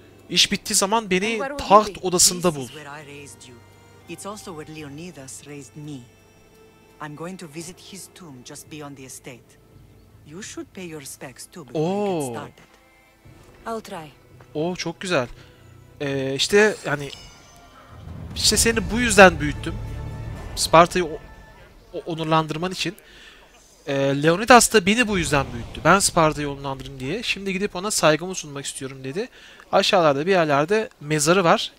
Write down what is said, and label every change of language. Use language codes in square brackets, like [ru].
[tr] İş bittiği zaman beni taht odasında bul. [en] It's also where Leonidas raised me. I'm going to visit his tomb just beyond the estate. You should pay your respects too before you get started. I'll try. [tr] Oh, çok güzel. İşte yani, işte seni bu yüzden büyüttüm. Sparta'yı onurlandırman için. Leonidas da beni bu yüzden büyüttü. Ben Sparta'yı onurlandırdım diye. Şimdi gidip ona saygımı sunmak istiyorum dedi. Aşağılarda bir yerlerde mezarı var.